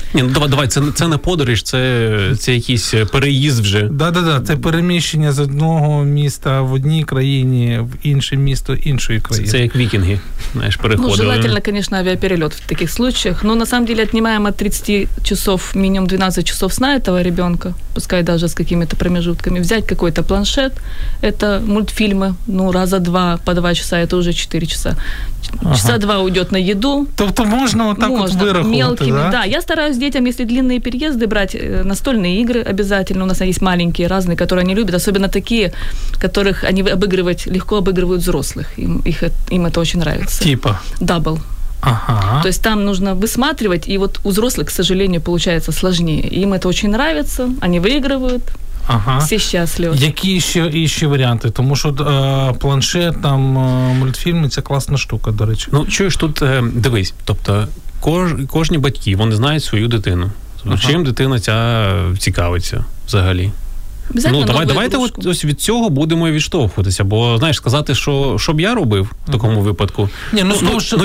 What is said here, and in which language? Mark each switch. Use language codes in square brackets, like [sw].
[uk] Ні, давай, це не подорож, це якийсь переїзд вже. Да, це переміщення з одного міста в одній країні, в інше місто іншої країни. Це як вікінги, знаєш, переходили. Желательно, звісно, авіаперельот в таких случаях, але насправді відіймаємо від 30 часов, мінімум 12 часов сна цього ребенка, пускай [ru] бывает даже с какими-то промежутками. Взять какой-то планшет, это мультфильмы, ну, раза два по два часа, это уже 4 часа. Часа два уйдет на еду. Тобто можно вот так можно, вот вырахнуть, мелкими, да? Да, я стараюсь детям, если длинные переезды, брать настольные игры обязательно. У нас есть маленькие, разные, которые они любят, особенно такие, которых они обыгрывать, легко обыгрывают взрослых. Им это очень нравится. Типа? Дабл. Ага. То есть там нужно высматривать, и вот у взрослых, к сожалению, получается сложнее. Им это очень нравится, они выигрывают, все счастливы. Какие еще варианты? Потому что планшет, там, мультфильмы, это классная штука, до речи. [uk] Ну, чуешь, тут, дивись, тобто, кожні батьки, вони знають свою дитину. Тобто, чим дитина ця цікавиться взагалі? Ну, давайте от, ось від цього будемо і відштовхуватися. Бо, знаєш, сказати, що б я робив в такому випадку, ну,